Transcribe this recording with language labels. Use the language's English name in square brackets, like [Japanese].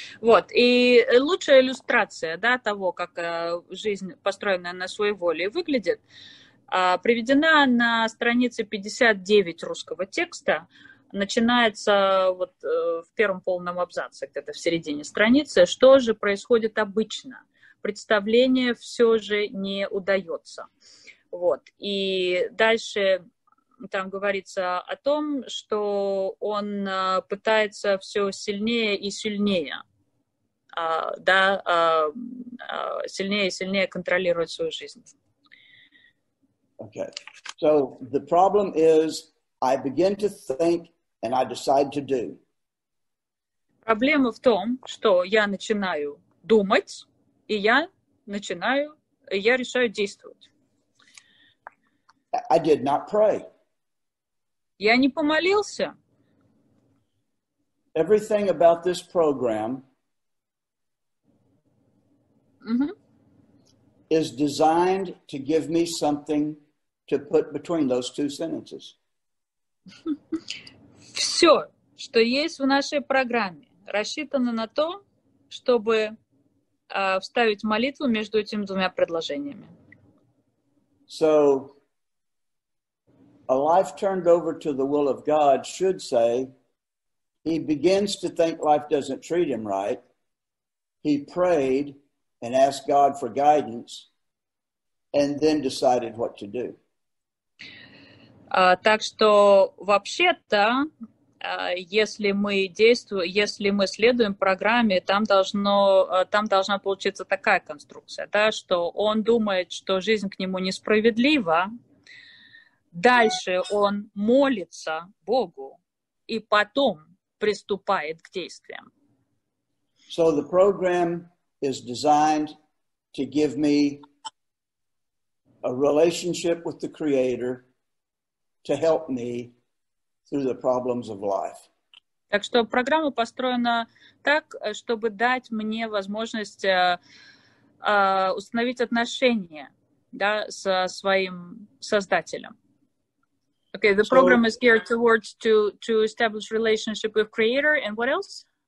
[Russian] Вот, и лучшая иллюстрация, да, того, как жизнь, построенная на своей воле, выглядит, приведена на странице 59 русского текста, начинается вот в первом полном абзаце, где-то в середине страницы, что же происходит обычно, представление все же не удается, вот, и дальше... Там говорится о том, что он пытается все сильнее и сильнее контролировать свою жизнь. [English] Okay. So the problem is I begin to think and I decide to do. [Russian] Проблема в том, что я начинаю думать, и я решаю действовать. [English] I did not pray. [Russian] Я не помолился. [English] Everything about this program is designed to give me something to put between those two sentences. [Russian] Все, что есть в нашей программе, рассчитано на то, чтобы вставить молитву между этими двумя предложениями. [English] So, a life turned over to the will of God should say, he begins to think life doesn't treat him right. He prayed and asked God for guidance. And then decided what to do. [Russian] Так что вообще-то, если мы следуем программе, там должна получиться такая конструкция, да, что он думает, что жизнь к нему несправедлива. Дальше он молится Богу и потом приступает к действиям. [English] So the program is designed to give me a relationship with the Creator to help me through the problems of life. [Russian] Так что программа построена так, чтобы дать мне возможность установить отношения, да, со своим создателем. [English] Okay, the program is geared towards to establish relationship with Creator, and what else?